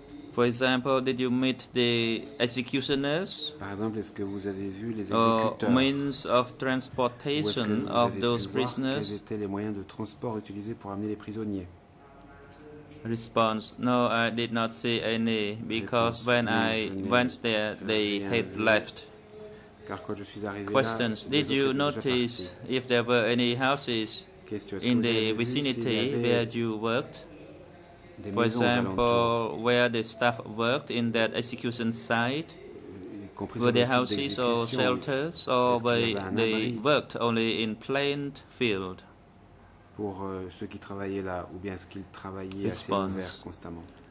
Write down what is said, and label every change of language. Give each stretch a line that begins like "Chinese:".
English: For example, did you meet the executioners?
French: Par exemple, est-ce que vous avez vu les exécuteurs?
English: Means of transportation of those prisoners?
French: Quels étaient les moyens de transport utilisés pour amener les prisonniers?
English: Response: No, I did not see any because when I went there, they had left.
French: Car quand je suis arrivé
English: Questions: Did you notice if there were any houses in the vicinity where you worked? For example, where the staff worked in that execution site, were there houses or shelters, or they worked only in plain field?
French: Pour ceux qui travaillaient là, ou bien est-ce qu'ils travaillaient assez ouvert constamment?